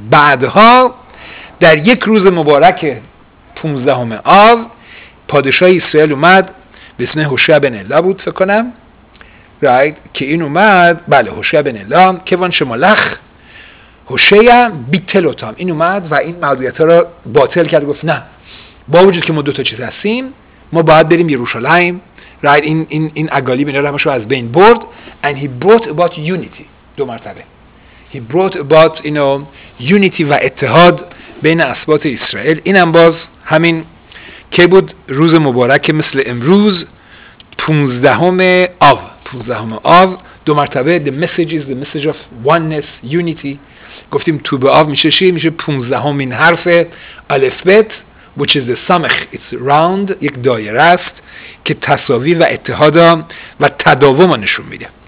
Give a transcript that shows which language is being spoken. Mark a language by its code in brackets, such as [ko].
[fa] بعدها در یک روز مبارک 15 آب پادشاه اسرائیل اومد به اسم هوشع بن الا بود فکر کنم، رایت، که این اومد، بله هوشع بن الا کوان شمالخ هوشع بیتل اوتام، این اومد و این معذیت ها را باطل کرد، گفت نه با وجود که ما دو تا چیز هستیم، ما باید بریم یروشلایم، رایت، این اگالی بن رحمش رو از بین برد. [en] and he brought about unity، [fa] دو مرتبه [en] he brought about unity [fa] و اتحاد بین اسباط اسرائیل. اینم باز همین که بود روز مبارک مثل امروز 15 آب، 15 آب دو مرتبه [en] the message is the message of oneness, unity. [fa] گفتیم تو به آب میشه چی؟ میشه 15 حرف الف بت، [en] which is the [fa] سمخ، [en] it's round، [fa] یک دایره است که تساوی و اتحاد و تداوم رو نشون میده.